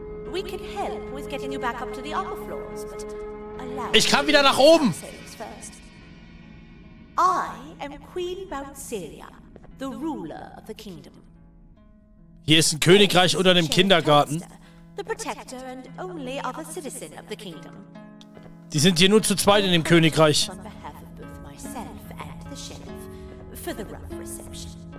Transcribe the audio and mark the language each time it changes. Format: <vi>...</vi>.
<en>We can help with getting you back up to the upper floors, but allow me.</en> <de>Ich kann wieder nach oben!</de> <en>I am Queen Bouncelia, the ruler of the kingdom.</en> <de>Hier ist ein Königreich unter dem Kindergarten.</de> <en>The protector and only other citizen of the kingdom.</en> <de>Die sind hier nur zu zweit in dem Königreich.</de> <en>On behalf of both myself and the sheriff for the rough reception.</en>